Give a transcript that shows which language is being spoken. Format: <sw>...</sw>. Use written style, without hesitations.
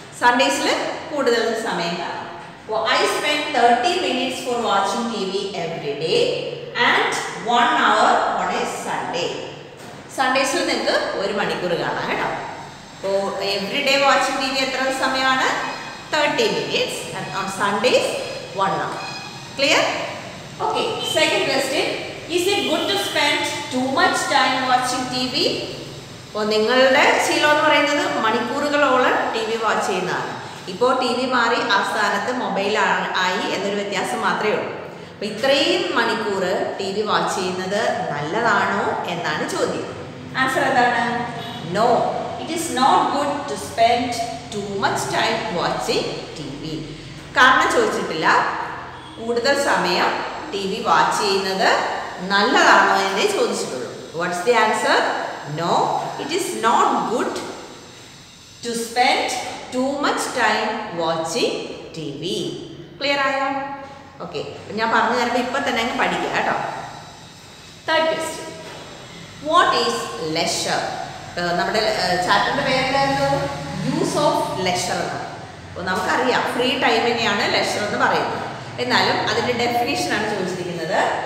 <ml>സൺഡേസിൽ കൂടുതൽ സമയം കാണും.</ml> <en>I spend 30 minutes for watching T V every day and 1 hour on a Sunday.</en> <ml>സൺഡേസിൽ നിങ്ങൾക്ക് 1 മണിക്കൂർ കാണാം കേട്ടോ. അപ്പോൾ</ml> <en>every day watching T V</en> <ml>എത്ര സമയമാണ്?</ml> <en>30 minutes and on Sundays 1 hour. Clear? Okay, second question. Is it good to spend too much time watching TV?</en> <ml>ഇപ്പോൾ നിങ്ങളുടെ ശീലം എന്ന് പറയുന്നത് മണിക്കൂറുകളോളം ടി വി വാച്ച് ചെയ്യുന്നതാണ്. ഇപ്പോൾ ടി വി മാറി ആ സ്ഥാനത്ത് മൊബൈലായി എന്നൊരു വ്യത്യാസം മാത്രമേ ഉള്ളൂ. അപ്പോൾ ഇത്രയും മണിക്കൂർ ടി വി വാച്ച് ചെയ്യുന്നത് നല്ലതാണോ എന്നാണ് ചോദ്യം. ആൻസർ എന്താണ്?</ml> <en>No, it is not good to spend too much time watching TV.</en> <ml>കാരണം ചോദിച്ചിട്ടില്ല. കൂടുതൽ സമയം ടി വി വാച്ച് ചെയ്യുന്നത് നല്ലതാണോ എന്നെ ചോദിച്ചിട്ടുള്ളൂ.</ml> <en>What's the answer? No, it is not good to spend too much time watching TV.</en> <ml>Clear ആയോ? Okay, ഞാൻ പറഞ്ഞു തരുമ്പോൾ ഇപ്പം തന്നെ അങ്ങ് പഠിക്കുക കേട്ടോ.</ml> <en>Third question, what is leisure?</en> <ml>നമ്മുടെ ചാപ്റ്ററിൻ്റെ പേരെന്തായിരുന്നു? യൂസ് ഓഫ് ലെഷർ എന്ന്. അപ്പോൾ നമുക്കറിയാം ഫ്രീ ടൈമിനെയാണ് ലെഷർ എന്ന് പറയുന്നത്. എന്നാലും അതിൻ്റെ ഡെഫിനേഷനാണ് ചോദിച്ചിരിക്കുന്നത്.</ml>